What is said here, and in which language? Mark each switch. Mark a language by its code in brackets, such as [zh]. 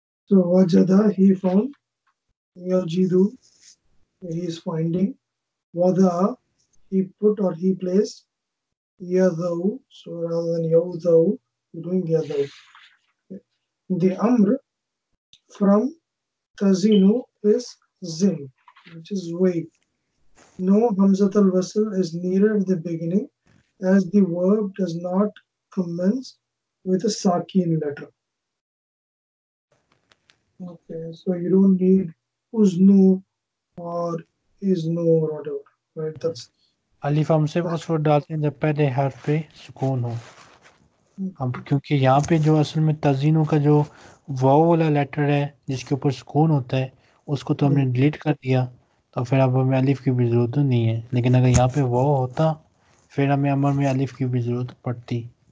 [en] So وجد he found, یجیدو he is finding, وضع he put or he place, یضع سو رادر دین یوضع ڈوئنگ یضع. The amr from tazinu is zin, which is weigh. No hamzat al wasl is needed at the beginning, as the verb does not commence with a sakin letter. Okay, so you don't need uznu or iznu or whatever, right? That's [ur] alif hamse wasl dalte hain jab pehle harf pe sukoon ho. اب کیونکہ یہاں پہ جو اصل میں تزینو کا جو واو والا لیٹر ہے جس کے اوپر سکون ہوتا ہے, اس کو تو ہم نے ڈیلیٹ کر دیا, تو پھر اب ہمیں الف کی بھی ضرورت نہیں ہے. لیکن اگر یہاں پہ واو ہوتا پھر ہمیں امر میں الف کی بھی ضرورت پڑتی.